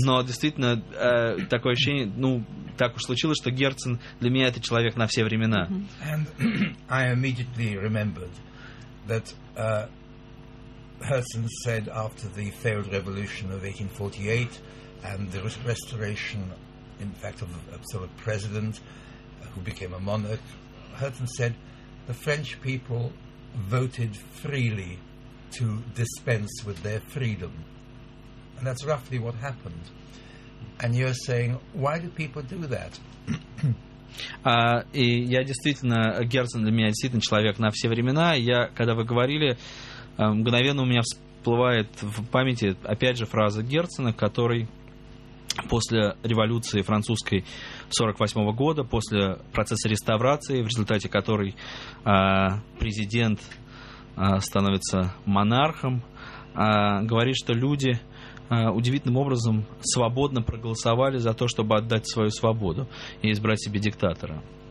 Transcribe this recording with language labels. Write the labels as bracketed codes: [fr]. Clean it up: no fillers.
[ru] Но действительно, такое ощущение, ну, так уж случилось, что Герцен для меня это человек на все времена. [en] And I immediately remembered that Herzen said after the failed revolution of 1848 and the restoration, in fact, of a sort of president who became a monarch, Herzen said the French people voted freely to dispense with their freedom. And that's roughly what happened. And you're saying, why do people do that? [ru] И я действительно, Герцен для меня действительно человек на все времена. Я, когда вы говорили, мгновенно у меня всплывает в памяти опять же фраза Герцена, который после революции французской 48-го года, после процесса реставрации, в результате которой президент становится монархом, говорит, что люди удивительным образом свободно проголосовали за то, чтобы отдать свою свободу и избрать себе диктатора.